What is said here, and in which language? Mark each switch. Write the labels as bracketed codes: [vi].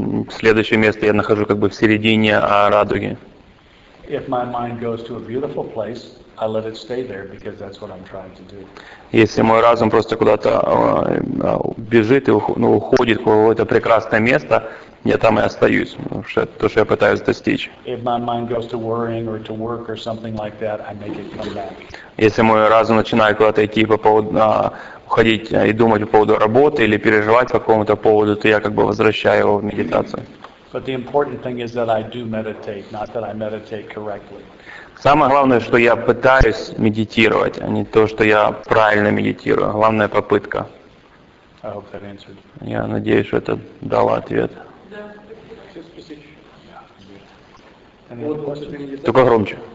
[ru] Следующее место я нахожу как бы в середине радуги. [en] If my mind goes to a beautiful place, I let it stay there because that's what I'm trying to do. [ru] Если мой разум просто куда-то бежит и уходит в какое-то прекрасное место, я там и остаюсь, то, что я пытаюсь достичь. [en] If my mind goes to worrying or to work or something like that, I make it come back. [ru] Если мой разум начинает куда-то идти по поводу уходить и думать по поводу работы или переживать по какому-то поводу, то я как бы возвращаю его в медитацию. [en] But the important thing is that I do meditate, not that I meditate correctly. [ru] Самое главное, что я пытаюсь медитировать, а не то, что я правильно медитирую. Главная попытка. [en] I hope that answered. [ru] Я надеюсь, что это дало ответ. Да. Только громче.